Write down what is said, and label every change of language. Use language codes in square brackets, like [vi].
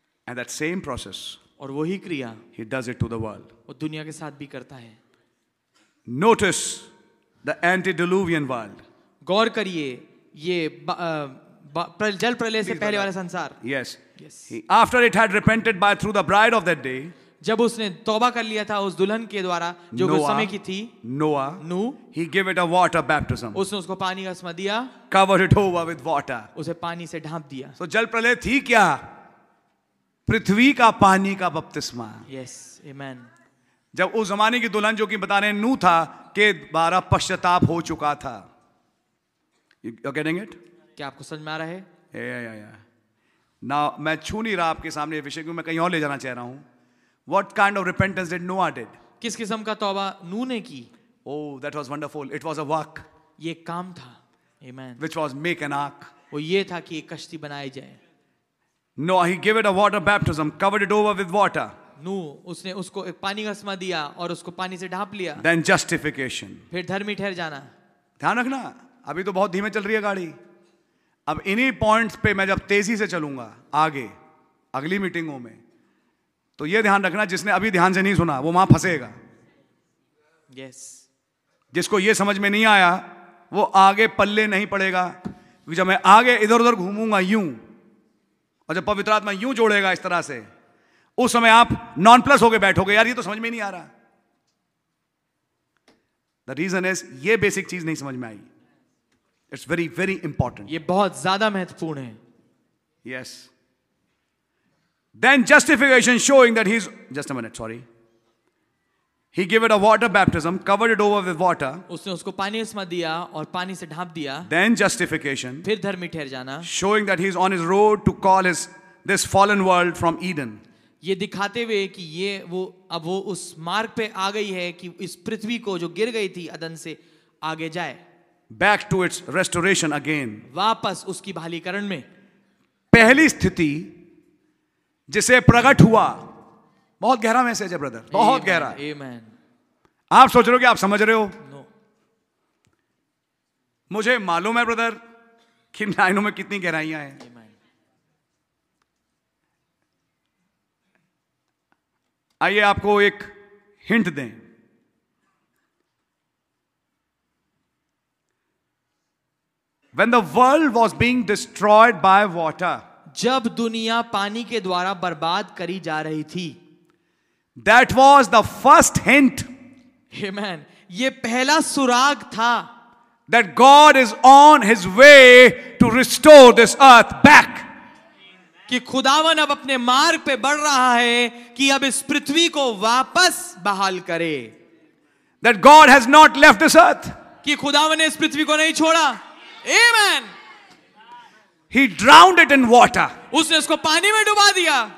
[en] And that same process, [hi] और वही क्रिया [en] He does it to the world. [hi] वो दुनिया के साथ भी करता है [en] Notice the antediluvian world. [hi] गौर करिए ये जल प्रलय से पहले वाले संसार [en] Yes. After it had repented by through the bride of that day, [hi] जब उसने तौबा कर लिया था उस दुल्हन के द्वारा जो उस समय की थी [en] Noah, [hi] नू, [en] he gave it a water baptism. [hi] उसने उसको पानी का स्नान दिया [en] Covered it over with water. [hi] उसे पानी से ढांप दिया So जल प्रलय थी क्या पृथ्वी का पानी का बपतिस्मा [en] Yes, amen. [hi] जब उस जमाने की दुल्हन जो कि बताने नू था के द्वारा पश्चाताप हो चुका था [en] You're getting it? [hi] क्या आपको समझ में आ रहा है [en] Yeah. [hi] Now, मैं छू नहीं रहा आपके सामने विषय क्योंकि मैं कहीं और ले जाना चाह रहा हूं [en] What kind of repentance did Noah did? [hi] किस किस्म का तौबा नू ने की [en] Oh, that was wonderful. It was a work. [hi] ये काम था Amen. [en] Which was make an ark. [hi] वो ये था कि एक कश्ती बनाई जाए [en] Noah, he gave it a water baptism, covered it over with water. [hi] नू उसने उसको एक पानी का स्नान दिया और उसको पानी से ढांप लिया [en] Then justification. [hi] फिर धर्मी ठहर जाना ध्यान रखना अभी तो बहुत धीमे चल रही है गाड़ी अब इन्हीं पॉइंट्स पे मैं जब तेजी से चलूंगा आगे अगली मीटिंगों में तो ये ध्यान रखना जिसने अभी ध्यान से नहीं सुना वो वहां फंसेगा [en] yes. [hi] जिसको ये समझ में नहीं आया वो आगे पल्ले नहीं पड़ेगा क्योंकि जब मैं आगे इधर उधर घूमूंगा यूं और जब पवित्र आत्मा यूं जोड़ेगा इस तरह से उस समय आप नॉन प्लस होके बैठोगे यार ये तो समझ में नहीं आ रहा [en] the reason is [hi] ये बेसिक चीज नहीं समझ में आई [en] It's very, very important. [hi] ये बहुत ज्यादा महत्वपूर्ण है [en] Yes. Then justification showing that he's just a minute, sorry. He gave it a water baptism, covered it over with water. [hi] उसने उसको पानी स्नान दिया और पानी से ढांप दिया. [en] Then justification. [hi] फिर धर्मी ठहर जाना. [en] Showing that he's on his road to call his this fallen world from Eden. [hi] ये दिखाते हुए कि ये वो अब वो उस मार्ग पे आ गई है कि इस पृथ्वी को जो गिर गई थी अदन से आगे जाए. [en] Back to its restoration again. [hi] वापस उसकी बहालीकरण में पहली स्थिति जिसे प्रकट हुआ बहुत गहरा मैसेज है ब्रदर बहुत [en] Amen. [hi] गहरा [en] Amen. [hi] आप सोच रहे हो कि आप समझ रहे हो [en] No. [hi] मुझे मालूम है ब्रदर कि लाइनों में कितनी गहराइयां हैं आइए आपको एक हिंट दें [en] When the world was being destroyed by water, [hi] जब दुनिया पानी के द्वारा बर्बाद करी जा रही थी [en] that was the first hint, [hi] Amen. ये पहला सुराग था [en] that God is on his way to restore this earth back. [hi] कि खुदावन अब अपने मार्ग पे बढ़ रहा है कि अब इस पृथ्वी को वापस बहाल करे [en] that God has not left this earth. [hi] कि खुदावन ने इस पृथ्वी को नहीं छोड़ा Amen. [en] He drowned it in water. [hi] उसने उसको पानी में डुबा दिया.